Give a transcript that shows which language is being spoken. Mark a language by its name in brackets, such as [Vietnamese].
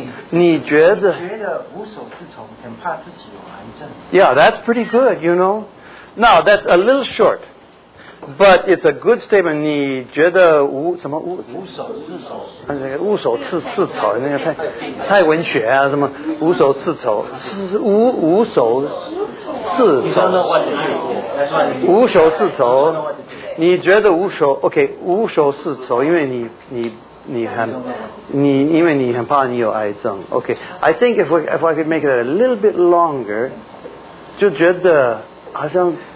[Chinese] 你觉得无所适从很怕自己有癌症 [English] Yeah that's pretty good you know Now that's a little shortBut it's a good statement. [Chinese] 你觉得无什么无无所适从？那个无所适从，那个太文学啊，什么无所适从？无所适从？无所适从？你觉得无所 OK 无所适从？因为你因为你很怕你有癌症。 [English] OK, I think if I could make it a little bit longer, [Chinese] 就觉得好像。